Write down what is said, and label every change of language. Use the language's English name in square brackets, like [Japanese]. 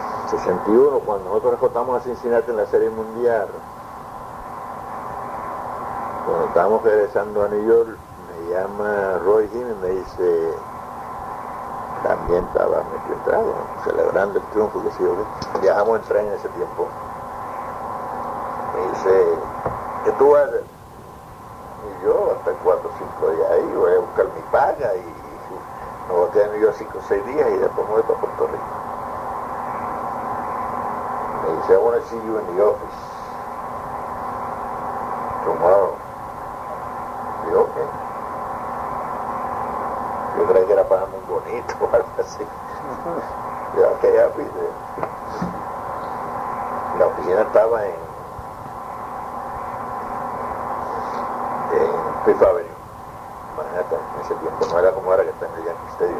[Spanish] 61, cuando nosotros derrotamos a Cincinnati en la Serie Mundial, cuando estábamos regresando a New York, me llama Roy Jiménez y me dice, también estaba metido en trago, ¿no?, celebrando el triunfo, que sí, viajamos en tren en ese tiempo. Me dice, ¿qué tú haces? Y yo, hasta 4 o 5 días ahí, voy a buscar mi paga y me voy a quedar en yo 5 o 6 días y después me voy para Puerto Rico. Me dice, [English] I want to see you in the office tomorrow. [Spanish] Y yo, ok. Yo creí que era para un bonito o algo así. Yo, ok, ya pide. La oficina estaba en Fifth Avenue, Manhattan, en ese tiempo no era como ahora que está en el Yankee Stadium.